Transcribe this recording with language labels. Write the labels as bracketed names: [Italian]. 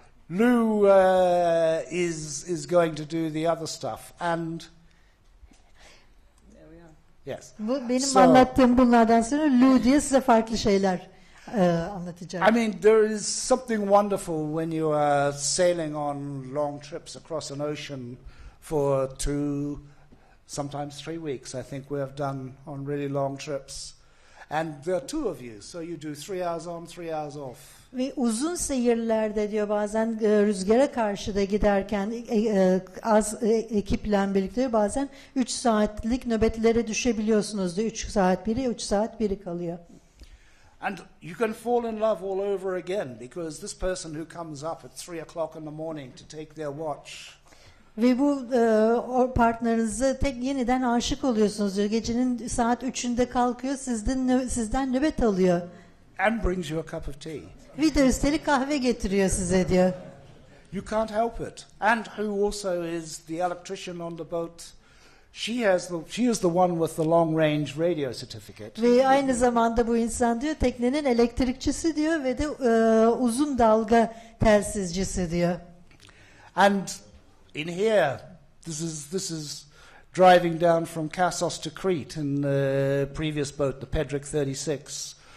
[English] Lou is going to do the other stuff and yes. [Turkish] Bu benim so, anlattığım bunlardan sonra Lou diye size farklı şeyler anlatacağım. [English] I mean, there is something wonderful when you are sailing on long trips across an ocean for two, sometimes 3 weeks, I think we have done on really long trips. And there are two of you, so you do 3 hours on, 3 hours off. [Turkish] Ve uzun seyirlerde diyor bazen rüzgara karşı da giderken az ekiple birlikte diyor, bazen 3 saatlik nöbetlere düşebiliyorsunuz diyor. 3 saat biri, 3 saat biri kalıyor. [English] And you can fall in love all over again because this person who comes up at 3 o'clock in the morning to take their watch. [Turkish] Ve bu partnerinize tek yeniden aşık oluyorsunuz diyor. Gecenin saat 3'ünde kalkıyor, sizden nöbet alıyor. [English] And brings you a cup of tea. [Turkish] Bir de üstelik kahve getiriyor size diyor. [English] You can't help it. And who also is the electrician on the boat? She is the one with the long range radio certificate. [Turkish] Ve aynı zamanda bu insan diyor teknenin elektrikçisi diyor ve de uzun dalga telsizcisi diyor. [English] And in here, this is driving down from Kassos to Crete in the previous boat, the Pedrick 36.